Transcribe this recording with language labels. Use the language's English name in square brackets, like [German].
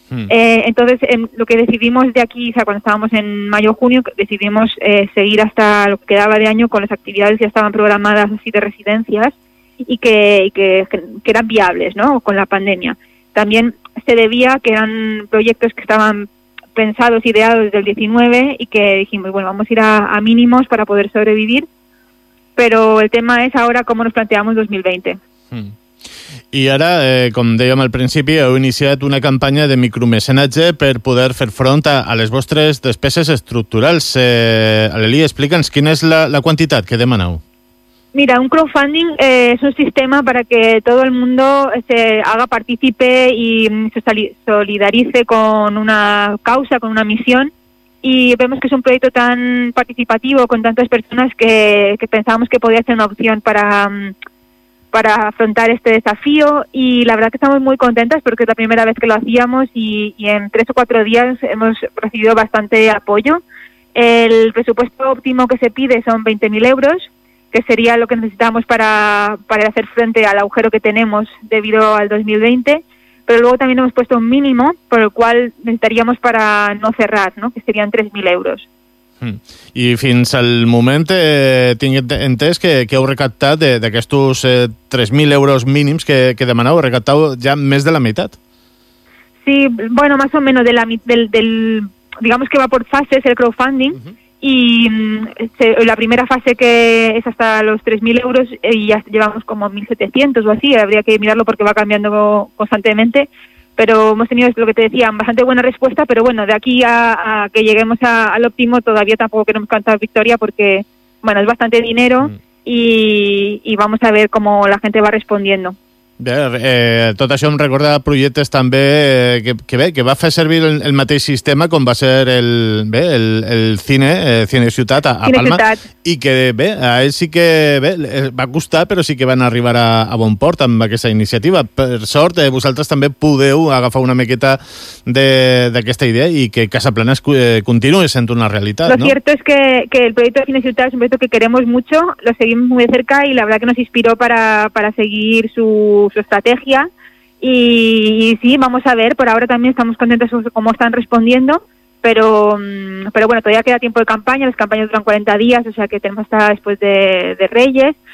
[Spanish] Entonces, lo que decidimos de aquí, o sea, cuando estábamos en mayo o junio, decidimos seguir hasta lo que quedaba de año con las actividades que ya estaban programadas así de residencias y que eran viables, ¿no?, con la pandemia. También se debía que eran proyectos que estaban pensados, ideados desde el 19 y que dijimos, bueno, vamos a ir a mínimos para poder sobrevivir, pero el tema es ahora cómo nos planteamos 2020. [Catalan] I ara, com dèiem al principi, heu iniciat una campanya de micromecenatge per poder fer front a les vostres despeses estructurals. Aleli, explica'ns quina és la quantitat que demaneu. [Spanish] Mira, un crowdfunding es un sistema para que todo el mundo se haga partícipe y se solidarice con una causa, con una misión. Y vemos que es un proyecto tan participativo, con tantas personas, que pensábamos que podía ser una opción para afrontar este desafío. Y la verdad que estamos muy contentas porque es la primera vez que lo hacíamos y en 3 o 4 días hemos recibido bastante apoyo. El presupuesto óptimo que se pide son 20.000 euros. Que sería lo que necesitamos para hacer frente al agujero que tenemos debido al 2020, pero luego también hemos puesto un mínimo por el cual necesitaríamos para no cerrar, ¿no?, que serían 3.000 euros. [Catalan] I fins al moment tinc entès que heu recaptat d'aquests 3.000 euros mínims que demanau, recaptau ja més de la meitat? [Spanish] Sí, bueno, más o menos del digamos que va por fases el crowdfunding. Uh-huh. Y la primera fase, que es hasta los 3.000 euros, y ya llevamos como 1.700 o así, habría que mirarlo porque va cambiando constantemente, pero hemos tenido, lo que te decía, bastante buena respuesta, pero bueno, de aquí a que lleguemos al óptimo todavía tampoco queremos cantar victoria porque, bueno, es bastante dinero y vamos a ver cómo la gente va respondiendo. [Catalan] Bé, tot això em recorda projectes també que va fer servir el mateix sistema, com va ser el cine Ciutat a Palma, i que bé, a ell sí que bé, va costar, però sí que van arribar a bon port amb aquesta iniciativa. Per sort, vosaltres també podeu agafar una miqueta d'aquesta idea i que Casaplanes continuï sent una realitat. [Spanish] Lo cierto es que el proyecto de Cine Ciutat es un proyecto que queremos mucho, lo seguimos muy de cerca y la verdad que nos inspiró para seguir su estrategia y sí, vamos a ver, por ahora también estamos contentos con cómo están respondiendo, pero bueno, todavía queda tiempo de campaña, las campañas duran 40 días, o sea que tenemos hasta después de Reyes.